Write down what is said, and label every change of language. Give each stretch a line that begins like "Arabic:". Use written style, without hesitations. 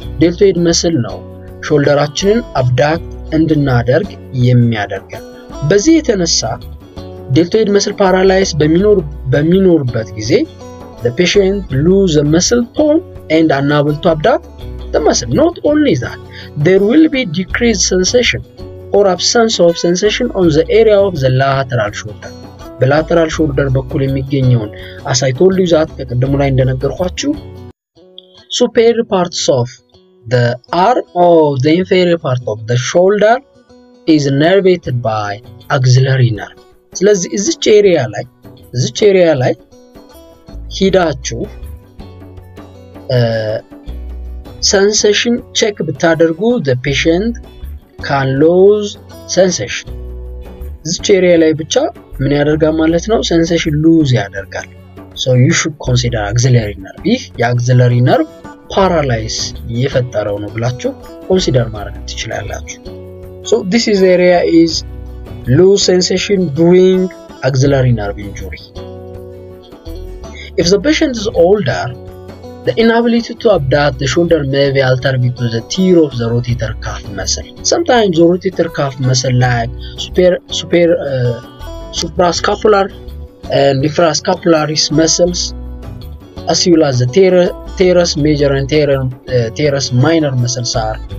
Amharic: Deltoid muscle ነው ሾልደራችንን abduct እንድናደርግ የሚያደርገን. በዚህ የተነሳ deltoid muscle paralysis በሚኖርበት ጊዜ
English: the patient lose the muscle tone and unable to abduct the muscle. Not only that, there will be decreased sensation or absence of sensation on the area of the lateral shoulder. The lateral shoulder በኩል የሚገኘውን as I told you that
Amharic: ከቀደሙ ላይ እንደነገርኳችሁ
English: superior parts of the arm or the inferior part of the shoulder is innervated by axillary nerve.
Amharic: ስለዚህ እዚች area ላይ ሂዳችሁ sensation check ብታደርጉ
English: the patient can lose sensation.
Amharic: እዚች area ላይ ብቻ ምን ያደርጋል ማለት ነው?
English: Sensation lose
Amharic: ያደርጋል.
English: So you should consider axillary nerve.
Amharic: ይህ የአክሲለሪ ነርቭ ፓራላይዝ የፈጠረው ነው ብላችሁ ኮንሲደር ማድረግ ትችላላችሁ.
English: So this is area is lose sensation during axillary nerve injury. If the patient is older, the inability to abduct the shoulder may be altered due to the tear of the rotator cuff muscle. Sometimes the rotator cuff muscle like suprascapular and infrascapularis muscles, as well as the teres major and teres minor muscles are.